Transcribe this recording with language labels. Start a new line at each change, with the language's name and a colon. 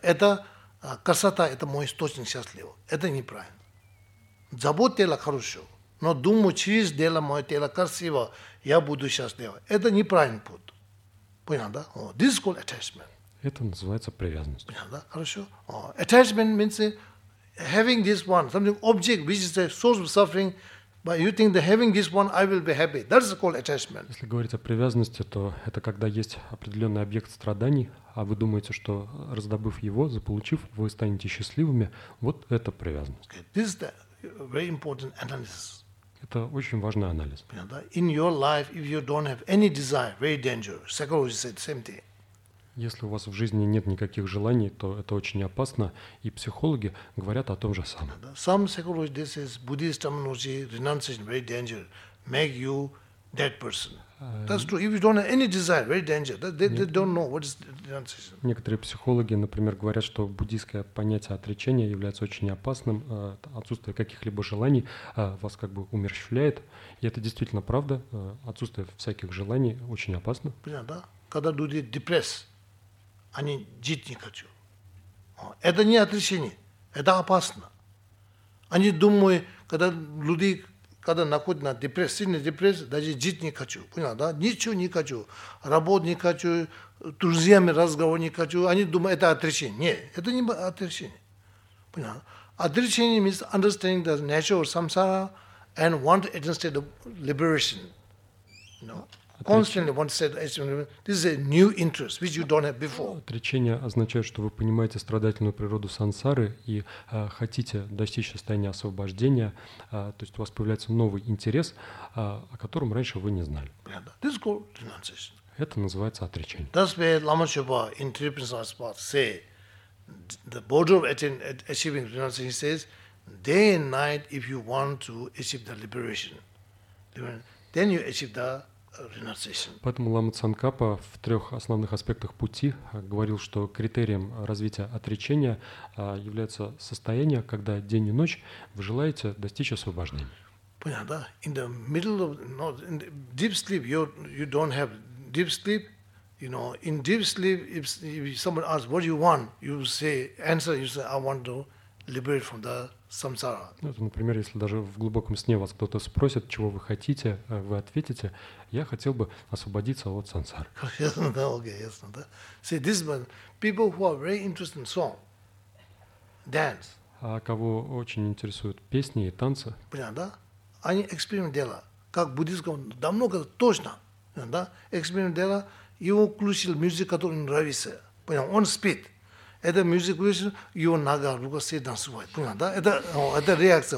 Russian: Это красота, это мой источник счастлива. Это неправильно. Забота тела хорошо, но думаю, через тело мое тело красиво, я буду счастлива. Это неправильный путь. Понятно, да?
English: This is called attachment.
Russian: Это называется привязанность. Понятно, да? Хорошо.
English: Attachment means having this one, something object, which is a source of suffering, but you think that having this one, I will be happy. That is called attachment.
Russian: Если говорить о привязанности, то это когда есть определенный объект страданий, а вы думаете, что раздобыв его, заполучив, вы станете счастливыми. Вот это привязанность.
English: Okay. This is the very important analysis.
Russian: Это очень важный анализ. Понятно, да?
English: In your life, if you don't have any desire, very dangerous. Psychologists say the same thing.
Russian: Если у вас в жизни нет никаких желаний, то это очень опасно, и психологи говорят о том же самом.
English: Some psychologists, this is Buddhist terminology, renunciation, very dangerous, make you that person. That's true. If you don't have any desire, very dangerous. They don't know what is renunciation.
Russian: Некоторые психологи, например, говорят, что буддийское понятие отречения является очень опасным. Отсутствие каких-либо желаний вас как бы умерщвляет. И это действительно правда. Отсутствие всяких желаний очень опасно. Понятно, да? Когда люди депрессы, они жить не хотят. Это не отречение, это опасно. Они думают, когда люди, когда находятся на депрессии, сильной депрессии, даже жить не хочу. Понятно, да? Ничего не хочу. Работу не хочу, друзьями разговор не хочу. Они думают, это отречение. Нет, это не отречение. Понятно?
English: Отречение means understanding the nature of samsara and want to attain state of liberation. No? Constantly want to say that this is a new interest which you don't have before.
Russian: Отречение означает, что вы понимаете страдательную природу сансары и хотите достичь состояния освобождения, то есть у вас появляется новый интерес, о котором раньше вы не знали.
English: This is called renunciation.
Russian: Это называется отречение.
English: That's why Lama Chöpa in Tripitaka Sutta says say the border of achieving renunciation says day and night if you want to achieve the liberation, then you achieve the
Russian: Поэтому Лама Цанкапа в трех основных аспектах пути говорил, что критерием развития отречения является состояние, когда день и ночь вы желаете достичь освобождения. Понятно, да?
English: In the middle of deep sleep, you don't have deep sleep. You know, in deep sleep, if someone asks, what do you want? You say, I want to liberate from the samsara.
Russian: Это, например, если даже в глубоком сне вас кто-то спросит, чего вы хотите, вы ответите, я хотел бы освободиться от сансары. Ясно, да, окей, ясно, да.
English: See, this one, people who are very interested in song, dance.
Russian: А кого очень интересуют песни и танцы? Понятно, да? Они эксперимент дела. Как буддистка, да много точно, да? Эксперимент дела, его включил музыку, которая нравится. Понятно, он спит. Это музыка, его нога, рука все танцевает. Понятно, да? Это реакция.